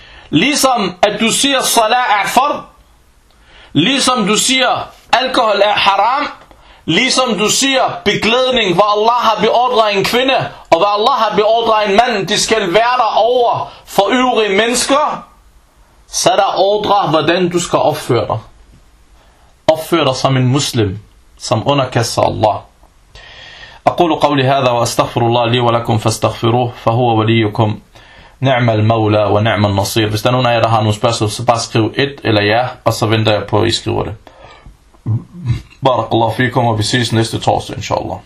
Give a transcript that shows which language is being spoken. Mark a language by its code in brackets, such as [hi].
[da] Ligesom at du siger, salat er fard. Ligesom du siger, alkohol er haram. Ligesom du siger, beglædning, hvor Allah har beordret en kvinde, og hvor Allah har beordret en mand, de skal være der over for øvrige mennesker, så er der ordre, hvordan du skal opføre dig. Opføre dig som en muslim, som underkaster Allah. [ar] أقول قولي هذا وأستغفر الله لي ولكم فاستغفروه فهو وليكم نعم المولى ونعم النصير. [da] Hvis der er nogen af jer, der har nogle spørgsmål, så bare skriv et eller ja, og så venter jeg på, at I skriver det. [ar] بارك الله فيكم وبسيس نست تورس إن شاء الله.